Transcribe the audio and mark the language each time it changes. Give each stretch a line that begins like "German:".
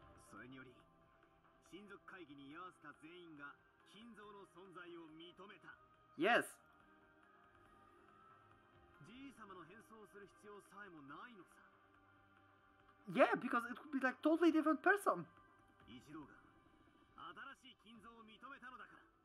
Japanese: それにより, 親族会議に居合わせた全員が金蔵の存在を認めた。
English: Yes.
Japanese: じい様の変装をする必要さえもないのさ。
English: Yeah, because it would be like totally different person.
Japanese: 一郎が新しい金蔵を認めたのだから。